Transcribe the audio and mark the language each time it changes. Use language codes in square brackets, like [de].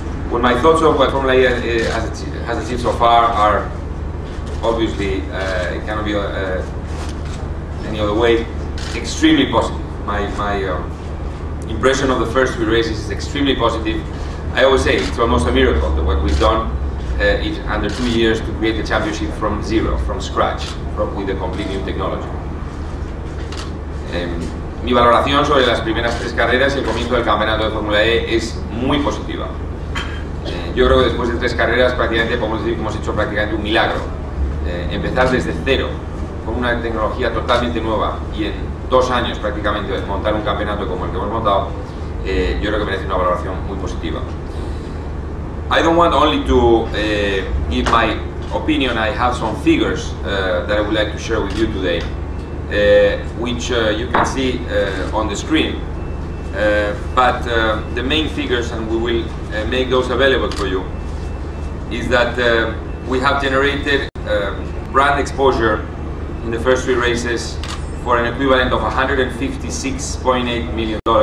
[en] Well, my thoughts of what Formula E has achieved so far are obviously, it cannot be any other way, extremely positive. My impression of the first three races is extremely positive. I always say it's almost a miracle that what we've done. It under 2 years to create the championship from zero, from scratch, with a completely new technology. [es] Mi valoración sobre las primeras tres carreras y el comienzo del campeonato de Fórmula E es muy positiva. Yo creo que después de tres carreras prácticamente podemos decir que hemos hecho prácticamente un milagro. Empezar desde cero, con una tecnología totalmente nueva y en dos años prácticamente de montar un campeonato como el que hemos montado, yo creo que merece una valoración muy positiva. [en] I don't want only to give my opinion, I have some figures that I would like to share with you today, which you can see on the screen. But the main figures, and we will make those available for you, is that we have generated brand exposure in the first three races for an equivalent of $156.8 million.